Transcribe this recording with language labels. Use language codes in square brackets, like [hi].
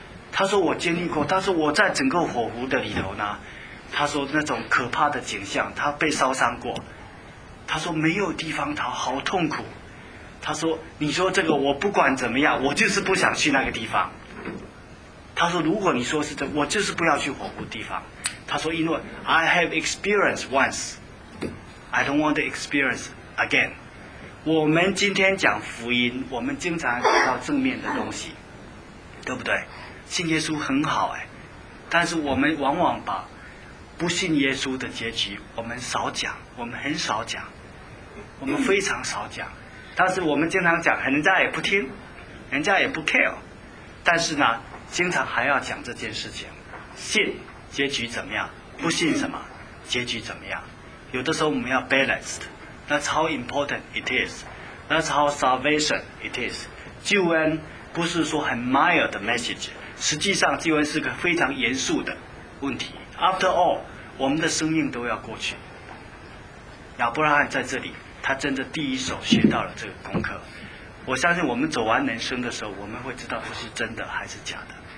[zh] 他说我经历过，他说我在整个火湖的里头呢，他说那种可怕的景象，他被烧伤过，他说没有地方逃，好痛苦。他说你说这个我不管怎么样，我就是不想去那个地方。他说如果你说是这，我就是不要去火湖地方。 [en] 他说因为 I have experienced once, I don't want to experience again。 [zh] 我们今天讲福音，我们经常讲到正面的东西，对不对？信耶稣很好，哎，但是我们往往把不信耶稣的结局我们少讲，我们很少讲，我们非常少讲。但是我们经常讲，人家也不听，人家也不 care, 但是呢经常还要讲这件事情，信结局怎么样，不信什么结局怎么样。 [en] 有的时候我们要 balanced,That's how important it is. That's how salvation it is. [zh] 救恩不是说很 mild 的 message. 实际上救恩是个非常严肃的问题。 After all, 我们的生命都要过去。亚伯拉罕在这里，他真的第一手学到了这个功课。我相信我们走完人生的时候，我们会知道这是真的还是假的。